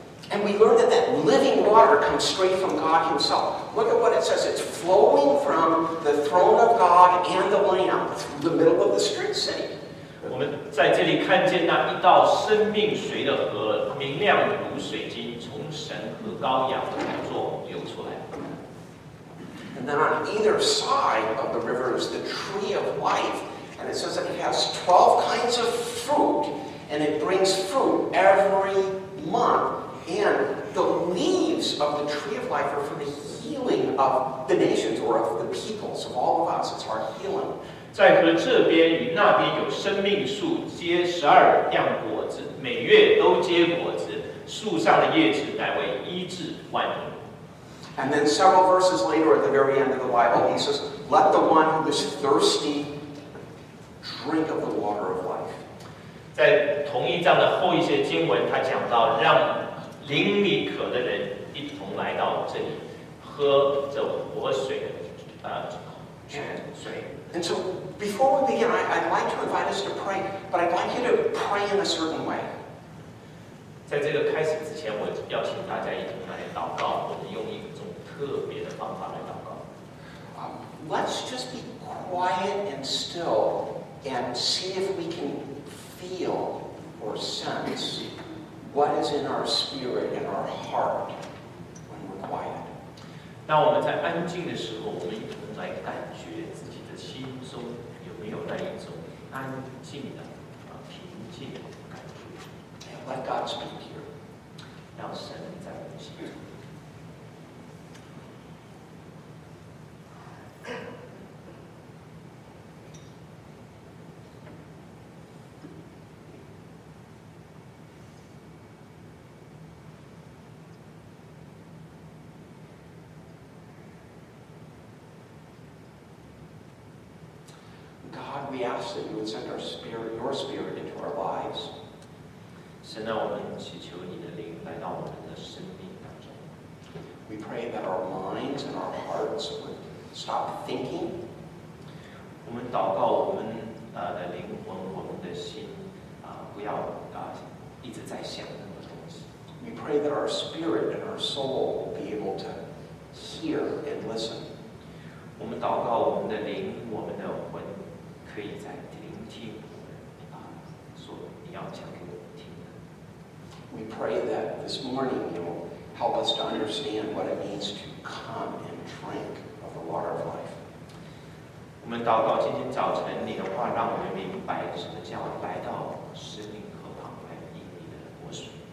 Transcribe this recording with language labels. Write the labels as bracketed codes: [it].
[en] And we learn that that living water comes straight from God Himself. Look at what it says. It's flowing from the throne of God and the Lamb through the middle of the street city. [zh] 我们在这里看见那一道生命水的河，明亮如水晶，从神和羔羊的宝座流出来。 [en] And then on either side of the river is the tree of life, and it says that it has 12 kinds of fruit. And it brings fruit every month. And the leaves of the tree of life are for the healing of the nations or of the peoples of all of us. It's our healing. [zh] 在河这边与那边有生命树，结十二样果子，每月都结果子。树上的叶子乃为医治万民。 [en] And then several verses later, at the very end of the Bible, he says, "Let the one who is thirsty drink of the water of life." [zh] 在同一章的后一些经文，他讲到让灵里渴的人一同来到这里，喝这活水的水。 [en] And so before we begin, I'd like to invite us to pray, but I'd like you to pray in a certain way. [zh] 在这个开始之前，我邀请大家一同来祷告，我们用一种特别的方法来祷告。 [en] Let's just be quiet and still and see if we can. Feel or sense what is in our spirit and our heart when we're quiet. [zh] 那我们在安静的时候，我们一同来感觉自己的心中有没有那一种安静的、平静的感觉。 [en] And let God speak here. [zh] 让神在我们心中。 [en] God, we ask that you would send our spirit, your spirit into our lives. [zh] 神啊，我们祈求你的灵来到我们的生命当中。 [en] We pray that our minds and our hearts would stop thinking. [zh] 我们祷告我们的灵魂，我们的心不要一直在想那么多东西。 [en] We pray that our spirit and our soul will be able to hear and listen. [zh] 我们祷告我们的灵，我们的魂。可以在聆听我们所你要讲给我们听的。 [en] We pray that this morning you will help us to understand what it means to come and drink of the water of life. [zh] 我们祷告今天早晨你的话让我们明白什么叫来到生命河旁来饮你的活水。